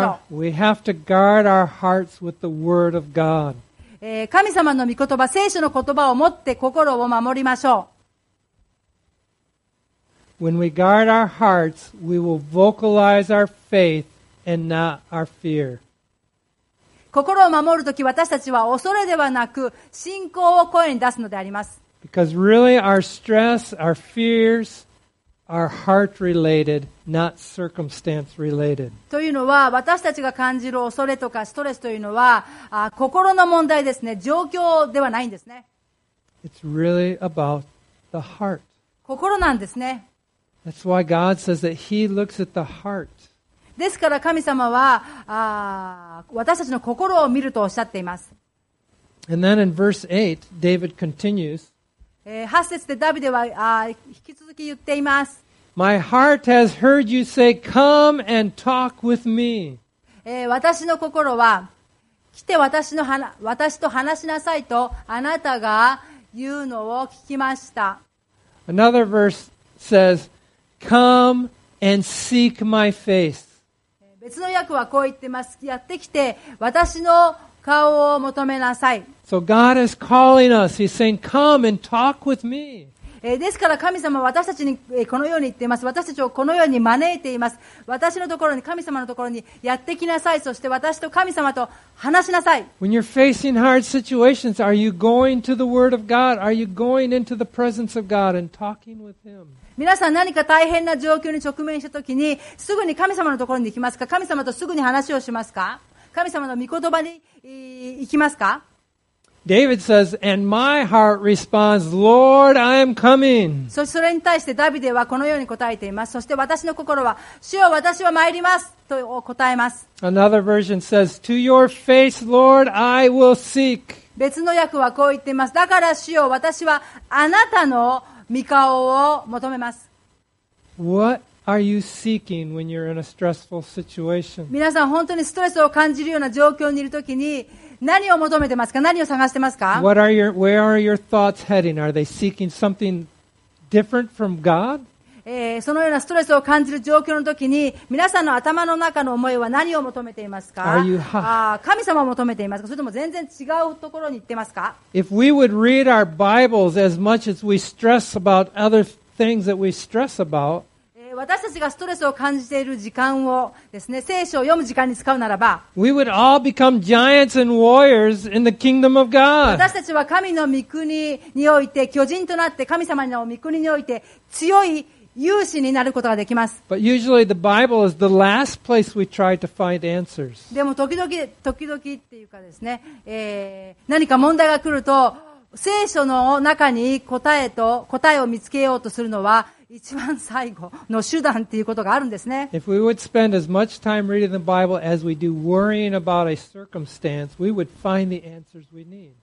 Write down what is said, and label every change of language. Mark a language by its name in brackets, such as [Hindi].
[English] We have to guard our hearts with the word of God. [Japanese] 神様の御言葉、聖書の言葉を持って心を守りましょう。 [English] When we guard our hearts, we will vocalize our faith. And not our fear. [Japanese] 心を守るとき私たちは恐れではなく信仰を声に出すのであります。 [English] Because really our stress, our fears are heart related, not circumstance related. [Japanese] というのは私たちが感じる恐れとかストレスというのは心の問題ですね。状況ではないんですね。 [English] It's really about the heart. [Japanese] 心なんですね。 [English] That's why God says that He looks at the heart. [Japanese] ですから神様は私たちの心を見るとおっしゃっています。 [English] And then in verse 8, David continues. [Japanese] 8節でダビデは引き続き言っています。 [English] My heart has heard you say, come and talk with me. [Japanese] 私の心は、来て私と話しなさいとあなたが言うのを聞きました。 [English] Another verse says, come and seek my face. [Japanese] 別の訳はこう言ってます。やってきて私の顔を求めなさい。 [English] So God is calling us. He's saying, "Come and talk with me." [Japanese] ですから神様は私たちにこのように言っています。私たちをこのように招いています。私のところに神様のところにやってきなさい。そして私と神様と話しなさい。 [English] When you're facing hard situations, are you going to the Word of God? Are you going into the presence of God and talking with Him? [Japanese] 皆さん何か大変な状況に直面したときにすぐに神様のところに行きますか神様とすぐに話をしますか神様の御言葉に行きますか [English] David says, and my heart responds, Lord, I am coming. [Japanese] そしてそれに対してダビデはこのように答えています。そして私の心は、主よ私は参りますと答えます。 [English] Another version says, to your face, Lord, I will seek. [Japanese] 別の訳はこう言っています。だから主よ私はあなたの御顔を求めます。 [English] What are you seeking when you're in a stressful situation? [Japanese] 皆さん本当にストレスを感じるような状況にいるときに何を求めてますか？何を探してますか [English] ？What are your, where are your thoughts heading? Are they seeking something different from God? [Japanese] そのようなストレスを感じる状況の時に皆さんの頭の中の思いは何を求めていますか？ [English] Are you [Japanese] 神様を求めていますか？それとも全然違うところに行ってますか？ [English] If we would read our Bibles as much as we stress about other things that we stress about、 [Japanese] 私たちがストレスを感じている時間をですね、聖書を読む時間に使うならば、 [English] We would all become giants and warriors in the kingdom of God. [Japanese] 私たちは神の御国において巨人となって、神様の御国において強い勇士になることができます。 [English] But usually the Bible is the last place we try to find answers. [Japanese] でも時々っていうかですね、何か問題が来ると、聖書の中に答えを見つけようとするのは、一番最後の手段ということがあるんですね。 [English] If we would spend as much time reading the Bible as we do worrying about a circumstance, we would find the answers we need.